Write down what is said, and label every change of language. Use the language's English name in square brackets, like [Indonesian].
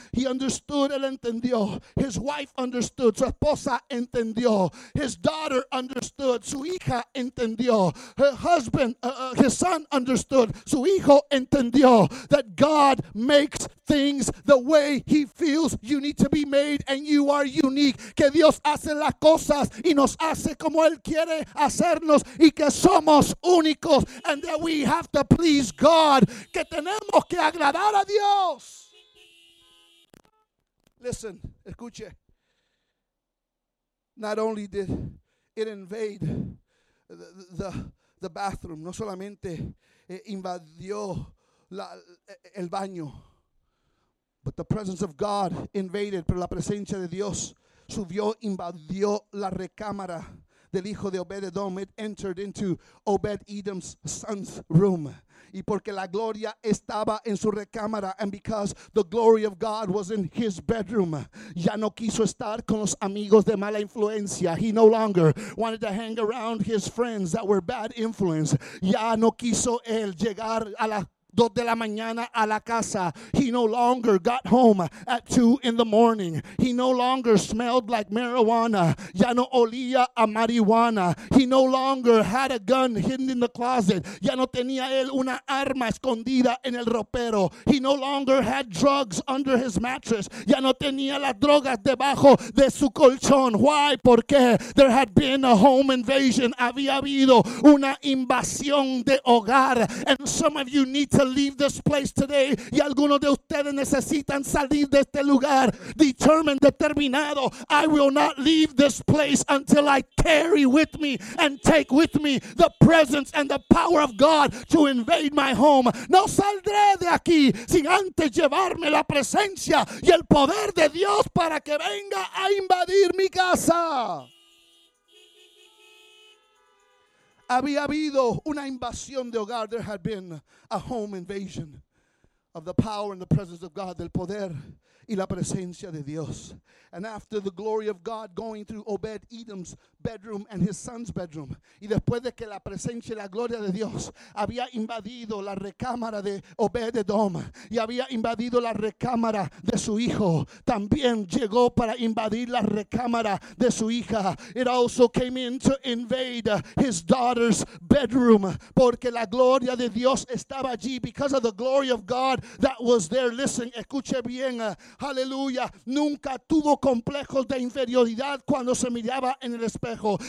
[English] He understood, [Spanish] él entendió. [English] His wife understood, [Spanish] su esposa entendió. [English] His daughter understood, [Spanish] su hija entendió. [English] Her husband, his son understood, [Spanish] su hijo entendió. [English] That God makes things the way he feels you need to be made, and you are unique. [Spanish] Que Dios hace las cosas y nos hace como él quiere hacernos. Y que somos únicos, [English] and that we have to please God. [Spanish] Que tenemos que agradar a Dios. [English] Listen, escuche. Not only did it invade the bathroom, [Spanish] no solamente invadió el baño, [English] but the presence of God invaded, [Spanish] pero la presencia de Dios subió, invadió la recámara. Del hijo de Obed-Edom, [English] it entered into Obed-Edom's son's room. [Spanish] Y porque la gloria estaba en su recámara, [English] and because the glory of God was in his bedroom, [Spanish] ya no quiso estar con los amigos de mala influencia. [English] He no longer wanted to hang around his friends that were bad influence. [Spanish] Ya no quiso él llegar a la 2 de la mañana a la casa. [English] He no longer got home at 2 in the morning. He no longer smelled like marijuana. [Spanish] Ya no olía a marihuana. [English] He no longer had a gun hidden in the closet. [Spanish] Ya no tenía él una arma escondida en el ropero. [English] He no longer had drugs under his mattress. [Spanish] Ya no tenía las drogas debajo de su colchón. Why? ¿Por qué? [English] There had been a home invasion. [Spanish] Había habido una invasión de hogar. [English] And some of you need to leave this place today. [Spanish] Y algunos de ustedes necesitan salir de este lugar. [English] Determined, determinado. I will not leave this place until I carry with me and take with me the presence and the power of God to invade my home. [Spanish] No saldré de aquí sin antes llevarme la presencia y el poder de Dios para que venga a invadir mi casa. Había habido una invasión de hogar. [English] There had been a home invasion of the power and the presence of God, [Spanish] del poder y la presencia de Dios. [English] And after the glory of God going through Obed-Edom's bedroom and his son's bedroom, [Spanish] y después de que la presencia y la gloria de Dios había invadido la recámara de Obed-Edom y había invadido la recámara de su hijo, también llegó para invadir la recámara de su hija. [English] It also came in to invade his daughter's bedroom, [Spanish] porque la gloria de Dios estaba allí. [English] Because of the glory of God that was there. Listen, [Spanish] escuche bien. [English] Aleluya. [Spanish] Nunca tuvo complejos de inferioridad cuando se miraba en el espejo.